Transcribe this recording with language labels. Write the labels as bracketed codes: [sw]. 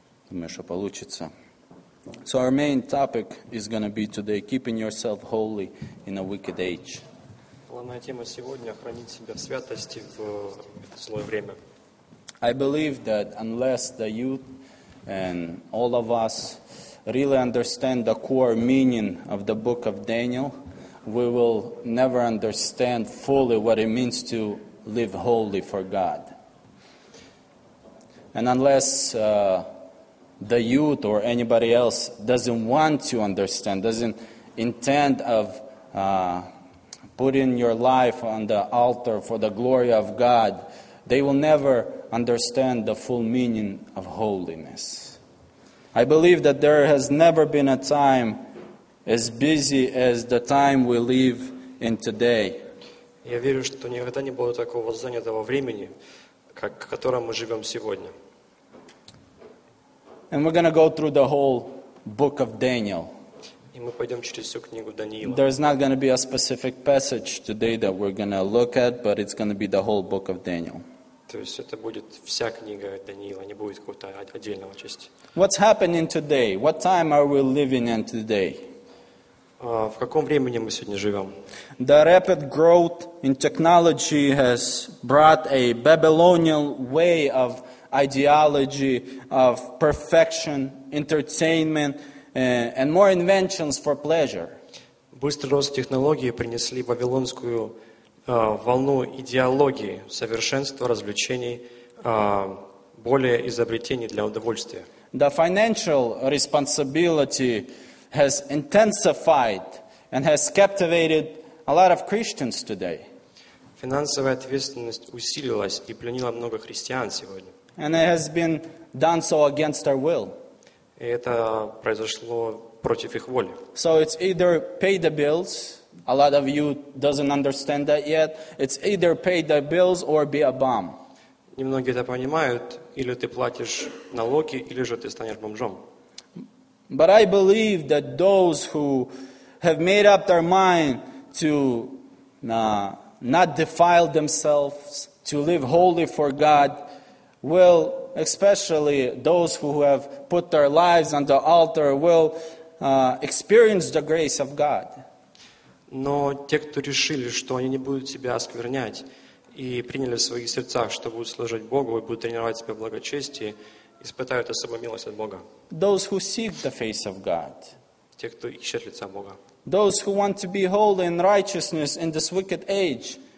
[ru] Думаю, что получится. [en] So our main topic is going to be today keeping yourself holy in a wicked age. [ru] Главная тема сегодня — хранить себя в святости в злое время. [en] I believe that unless the youth and all of us really understand the core meaning of the book of Daniel, we will never understand fully what it means to live holy for God. And unless the youth or anybody else doesn't want to understand, doesn't intend of putting your life on the altar for the glory of God, they will never understand the full meaning of holiness. I believe that there has never been a time as busy as the time we live in today. [ru] Я верю, что никогда не было такого занятого времени, как в котором мы живем сегодня. [en] And we're going to go through the whole book of Daniel. [ru] И мы пойдем через всю книгу Даниила. [en] There's not going to be a specific passage today that we're going to look at, but it's going to be the whole book of Daniel. [ru] То есть это будет вся книга Даниила, не будет какой-то отдельного части. [en] What's happening today? What time are we living in today? [ru] В каком времени мы сегодня живем? [en] The rapid growth in technology has brought a Babylonian way of ideology of perfection, entertainment, and more inventions for pleasure. [ru] Быстрый рост технологий принесли вавилонскую волну идеологии, совершенства, развлечений, более изобретений для удовольствия. [en] The financial responsibility has intensified and has captivated a lot of Christians today. [ru] Финансовая ответственность усилилась и пленила много христиан сегодня. [en] And it has been done so against our will. [ru] И это произошло против их воли. [en] So it's either pay the bills. A lot of you doesn't understand that yet. It's either pay the bills or be a bum. [ru] Немногие это понимают. Или ты платишь налоги, или же ты станешь бомжом. [en] But I believe that those who have made up their mind to not defile themselves, to live holy for God, will, especially those who have put their lives on the altar, will experience the grace of God. [ru] Но те, кто решили, что они не будут себя осквернять и приняли в своих сердцах, что будут служить Богу и будут тренировать себя в благочестии, испытают особую милость от Бога. [en] Those who seek the face of God. [ru] Те, кто ищет лица Бога. [en] Those who want to be holy and righteous in this wicked age.